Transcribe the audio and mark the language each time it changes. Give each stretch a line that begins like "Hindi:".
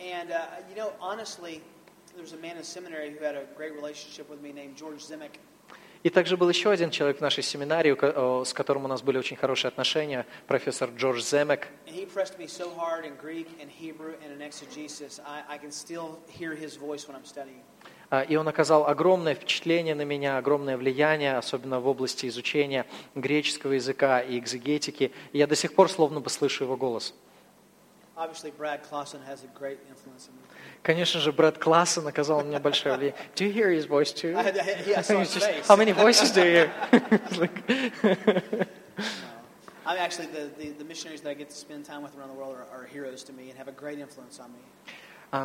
English: And you know, honestly, there was a man in seminary who had a great relationship with me named George Zimek.
Russian: И также был еще один человек в нашей семинарии, с которым у нас были очень хорошие отношения, профессор Джордж Земек.
English: And he pressed me so hard in Greek and Hebrew and in exegesis. I can still hear his voice when I'm studying.
Russian: И он оказал огромное впечатление на меня, огромное влияние, особенно в области изучения греческого языка и экзегетики. И я до сих пор словно бы слышу его голос.
English: Obviously, Brad Clausen has a great influence on me.
Russian: Конечно же, Брэд Классен оказал мне большое влияние.
English: Do you hear his voice too? Yes, I saw his face. How many voices do you hear? Like... No. I'm actually the missionaries that I get to spend time with around the world are heroes to me and have a great influence on me.